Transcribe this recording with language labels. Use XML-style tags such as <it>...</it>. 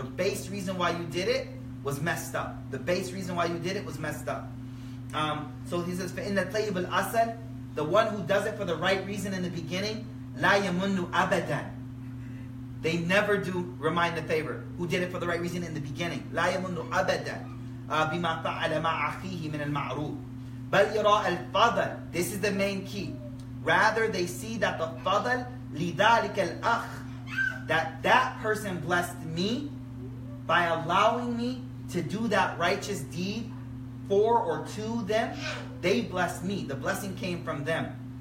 <en>The base reason why you did it was messed up. The base reason why you did it was messed up. So he says, in the tayyib al-asad, the one who does it for the right reason in the beginning,</en> <ar>la yamunnu abadan.</ar> <en>They never do remind the favor. Who did it for the right reason in the beginning?</en> <ar>لا يمنو أبدا بما فعل مع أخيه من المعروف بل يرى الفضل.</ar> <en>This is the main key. Rather, they see that the</en> <ar>فضل لذلك الأخ,</ar> <en>that person blessed me by allowing me to do that righteous deed for or to them, they blessed me. The blessing came from them.</en>